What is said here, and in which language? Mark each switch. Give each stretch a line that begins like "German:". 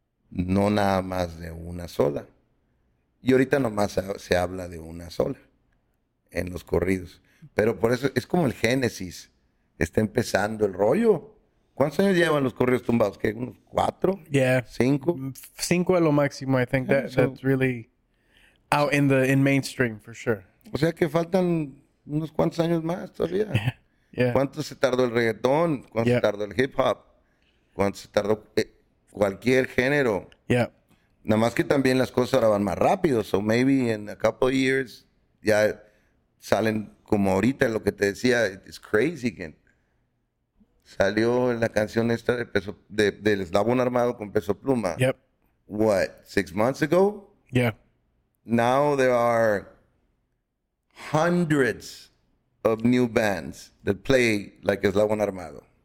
Spanish: No nada más de una sola. Y ahorita nomás se habla de una sola en los corridos. Pero por eso es como el génesis. Está empezando el rollo. ¿Cuántos años llevan los corridos tumbados? ¿Qué? ¿Unos cuatro?
English: Yeah.
Spanish: ¿Cinco? Cinco a lo máximo.
English: I think that, that's really out in the in mainstream for sure.
Spanish: O sea que faltan unos cuántos años más todavía.
English: Yeah. Yeah.
Spanish: ¿Cuánto se tardó el reggaetón? ¿Cuánto se tardó el hip hop? ¿Cuánto se tardó cualquier género?
English: Yeah.
Spanish: Nada más que también las cosas ahora van más rápido.
English: So maybe in a couple of years
Spanish: ya salen como ahorita lo que te decía.
English: It's crazy again.
Spanish: Salió la canción esta de peso del Eslabón Armado con Peso Pluma.
English: Yep. What, 6 months ago? Yeah. Now there are hundreds of new bands that play like Eslabón Armado.